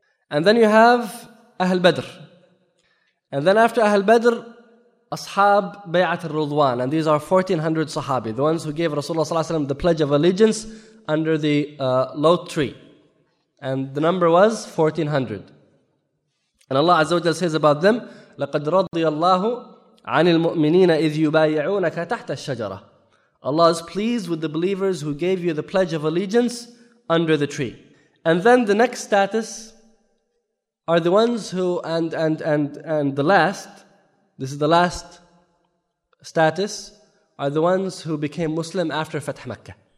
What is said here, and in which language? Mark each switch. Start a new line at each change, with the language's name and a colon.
English: And then you have Ahl Badr. And then after Ahl Badr, Ashab Bay'at al-Ridwan, and these are 1400 Sahabi, the ones who gave Rasulullah sallallahu alayhi wa sallam the Pledge of Allegiance under the lote tree. And the number was 1400. And Allah Azza wa Jalla says about them,
Arabic: لقد رضي الله عن المؤمنين إذ يبايعونك تحت الشجرة.
English: Allah is pleased with the believers who gave you the pledge of allegiance under the tree. And then the next status are the ones who, and the last, this is the last status, are the ones who became Muslim after Fath Makkah.